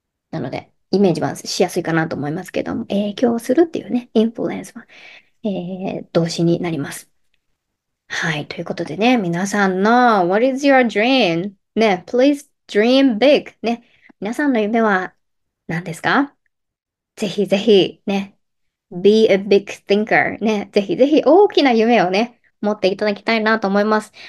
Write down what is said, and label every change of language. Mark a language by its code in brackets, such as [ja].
[ja] なので、イメージはしやすいかなと思いますけども、影響するっていうね、インフルエンスは、動詞になります。はい。ということでね、皆さんの、 [en] What is your dream? ね、Please dream big! [ja] ね、皆さんの夢は何ですか？ [en] ぜひぜひ、ね、Be a big thinker! [ja] ね、ぜひぜひ大きな夢をね、持っていただきたいなと思います。